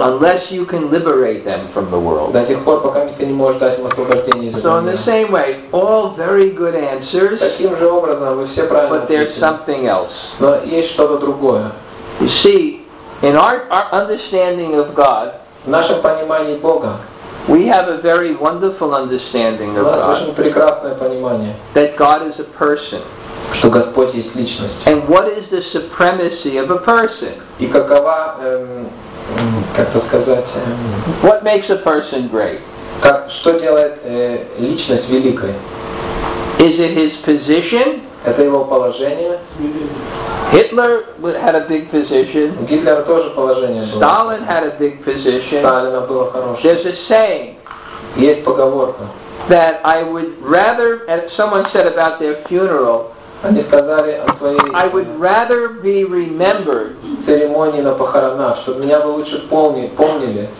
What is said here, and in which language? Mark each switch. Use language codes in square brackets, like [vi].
[en] Unless you can liberate them from the world. [ru] До тех пор, пока ты не можешь дать им освобождение из этого мира. [en] So in the same way, all very good answers. [ru] Таким же образом, вы все правильно. [en] But there's something else. [ru] Но есть что-то другое. [en] You see, in our understanding of God. [ru] В нашем понимании Бога. [en] We have a very wonderful understanding of God. That God is a person. [ru] Что Господь есть личность. [en] And what is the supremacy of a person? [ru] И какова, как-то сказать, [en] What makes a person great? [ru] Как, что делает, личность великой? [en] Is it his position? [ru] Это его положение. [en] Hitler had a big position. [ru] Гитлер тоже положение было. [en] Сталин had a big position. [ru] Сталина было хорошее. [en] There's a saying. [ru] Есть поговорка. [en] That I would rather, as someone said about their funeral. [ru] Они сказали о своей. [en] I would rather be remembered. [ru] Церемонии на похоронах, чтобы меня бы лучше помнили.